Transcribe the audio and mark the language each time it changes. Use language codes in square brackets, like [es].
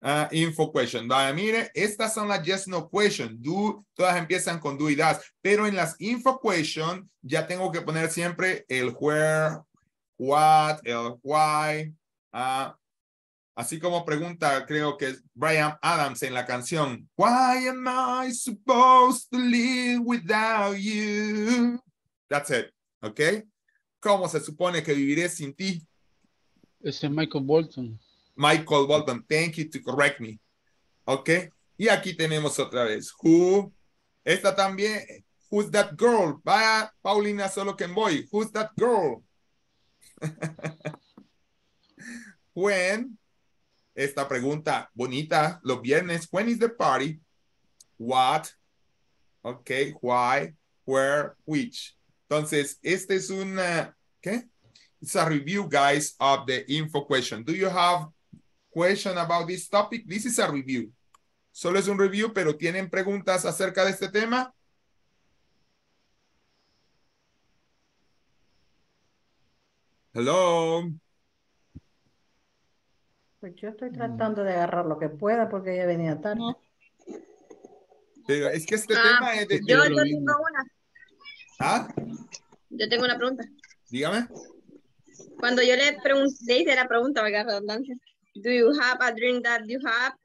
[es] Info question. Vaya, mire, estas son las yes no question. Do, todas empiezan con do y das. Pero en las info question ya tengo que poner siempre el where, what, el why, Así como pregunta, creo que es Brian Adams en la canción. [en] Why am I supposed to live without you? That's it, [es] ¿ok? ¿Cómo se supone que viviré sin ti? Es Michael Bolton. [en] Michael Bolton, thank you to correct me. ¿Ok? [es] Y aquí tenemos otra vez. [en] Who? [es] Esta también. [en] Who's that girl? [es] Vaya, Paulina, solo que voy. [en] Who's that girl? When? [es] Esta pregunta bonita, los viernes. [en] When is the party? What? [es] Ok, why? Where? Which? Entonces, este es un, ¿qué? [en] It's a review, guys, of the info question. Do you have question about this topic? This is a review. [es] Solo es un review, pero ¿tienen preguntas acerca de este tema? [en] Hello. [es] Pues yo estoy tratando de agarrar lo que pueda porque ya venía tarde. No. Pero es que este tema es de... Yo tengo una. ¿Ah? Yo tengo una pregunta. Dígame. Cuando yo le pregunté, hice la pregunta, me agarra redundancia. [en] Do you have a dream that you have?